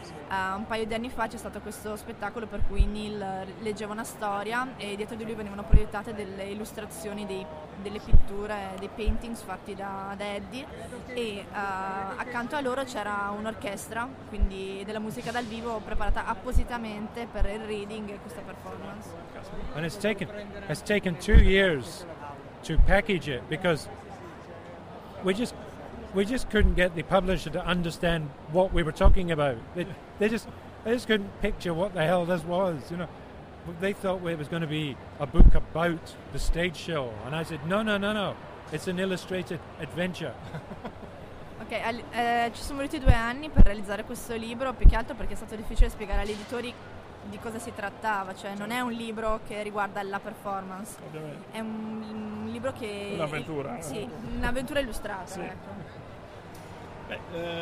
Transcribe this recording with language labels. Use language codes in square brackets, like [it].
[it] Un paio di anni fa c'è stato questo spettacolo per cui Neil leggeva una storia e dietro di lui venivano proiettate delle illustrazioni, delle pitture, dei paintings fatti da Eddie, e accanto a loro c'era un'orchestra, quindi della musica dal vivo preparata appositamente per il reading e questa performance. [en] And it's taken 2 years to package it because we just couldn't get the publisher to understand what we were talking about. They just I just couldn't picture what the hell this was, you know. They thought it was going to be a book about the stage show, and I said, no, it's an illustrated adventure. [it] Ok, ci sono voluti 2 anni per realizzare questo libro, più che altro perché è stato difficile spiegare agli editori di cosa si trattava, cioè non è un libro che riguarda la performance. Ovviamente. È un libro che... Un'avventura. Sì, un'avventura illustrata. Sì. Ecco.